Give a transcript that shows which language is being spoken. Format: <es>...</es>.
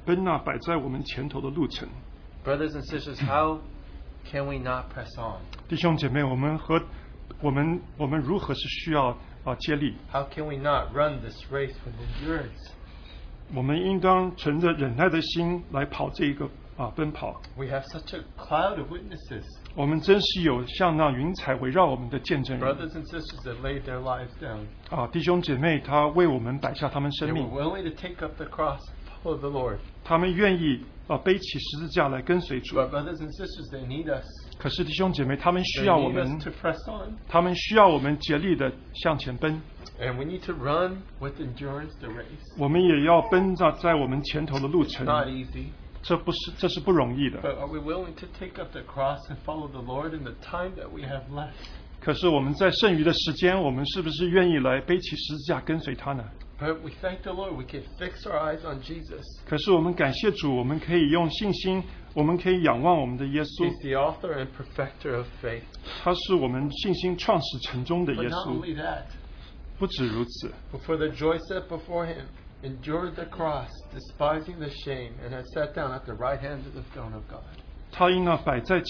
<zh>我们既有这许多的见证人，如同云彩围着我们，就当放下各样的重担，脱去容易缠累我们的罪，存心忍耐，奔那摆在我们前头的路程。</zh> <en>Brothers and sisters, how can we not press on?</en> <zh>弟兄姐妹，我们如何是需要接力？</zh> <en>How can we not run this race with endurance?</en> <zh>我们应当存着忍耐的心来跑这一个。</zh> <en>We have such a cloud of witnesses.</en> <zh>我们真是有像那云彩围绕我们的见证人。</zh> <en>Brothers and sisters that laid their lives down.</en> <zh>弟兄姐妹，他为我们摆下他们生命。</zh> <en>They were willing to take up the cross, follow the Lord.</en> <zh>他们愿意背起十字架来跟随主。</zh> <en>But brothers and sisters, they need us.</en> <zh>可是弟兄姐妹，他们需要我们。</zh> <en>They need us to press on.</en> <zh>他们需要我们竭力的向前奔。</zh> <en>And we need to run with endurance the race.</en> <zh>我们也要奔在我们前头的路程。</zh> <en>It's not easy.</en> <zh>这是不容易的。</zh> <en>But are we willing to take up the cross and follow the Lord in the time that we have left?</en> <zh>可是我们在剩余的时间, 我们是不是愿意来背起十字架跟随他呢?</zh> <en>But we thank the Lord, we can fix our eyes on Jesus.</en> <zh>可是我们感谢主, 我们可以用信心, 我们可以仰望我们的耶稣。</zh> <en>He's the author and perfecter of faith.</en> <zh>他是我们信心创始成终的耶稣。</zh> <en>But not only that,</en> <zh>不止如此,</zh> <en>but for the joy set before him, endured the cross, despising the shame, and has sat down at the right hand of the throne of God.</en>